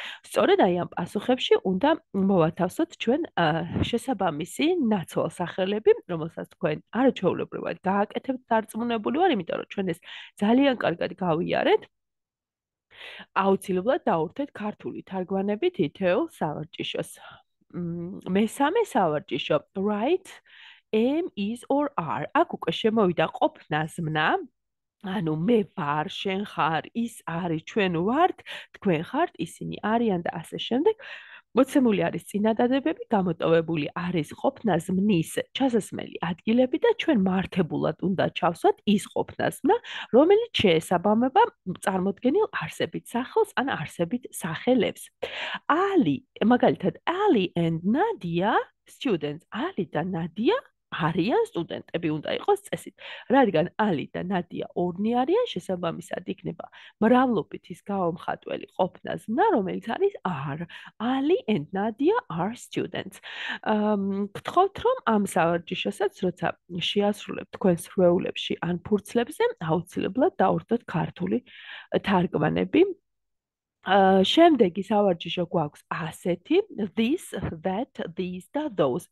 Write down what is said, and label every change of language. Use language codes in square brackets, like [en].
[ka] სწორედ აი ამ პასუხებში უნდა მოვათავსოთ ჩვენ შესაბამისი ნაცვალსახელები, რომელსაც თქვენ არაჩვეულებრივად გააკეთებთ დარწმუნებული ვარ, იმიტომ რომ ჩვენ ეს ძალიან კარგად გავიარეთ. აუცილებლად დაურთეთ ქართული თარგმანები თითოეულ სავარჯიშოს. მესამე სავარჯიშო, [en] right, am, is or are. [ka] აქ უკვე შემოვიდა ყოფნა, ზმნა, ანუ მე ვარ, შენ ხარ, ის არის, ჩვენ ვართ, თქვენ ხართ, ისინი არიან და ასე შემდეგ. მოცემული არის წინადადებები, გამოტოვებული არის ყოფნა ზმნის ჩასასმელი ადგილები და ჩვენ მართებულად უნდა ჩავსვათ ის ყოფნა ზმნა, რომელიც შეესაბამება წარმოდგენილ არსებით სახელს ან არსებით სახელებს. ალი, მაგალითად, ალი and ნადია students, ალი და ნადია არიან სტუდენტები, უნდა იყოს წესით. რადგან ალი და ნადია ორნი არიან, შესაბამისად იქნება მრავლობით ის გაომხატველი ყოფნა ზმნა, რომელიც არის are. [en] Ali and Nadia are students. [ka] გთხოვთ, რომ ამ სავარჯიშოსაც, როცა შეასრულებთ თქვენს რეულებში ან ფურცლებზე, აუცილებლად დაურთოთ ქართული თარგმანები. შემდეგი სავარჯიშო გვაქვს ასეთი: this, that, these და those.